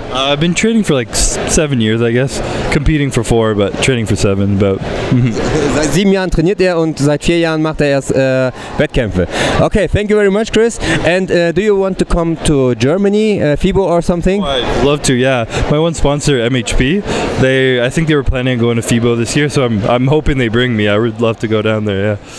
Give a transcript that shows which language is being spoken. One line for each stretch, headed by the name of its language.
English: I've been training for like 7 years, I guess. Competing for 4, but training for 7. But
German: seit 7 Jahren trainiert er und seit 4 Jahren macht er erst Wettkämpfe.
English: Okay, thank you very much, Chris. And do you want to come to Germany, FIBO or something? Oh, I'd love to, yeah. My one sponsor, MHP, I think they were planning on going to FIBO this year, so I'm hoping they bring me. I would love to go down there, yeah.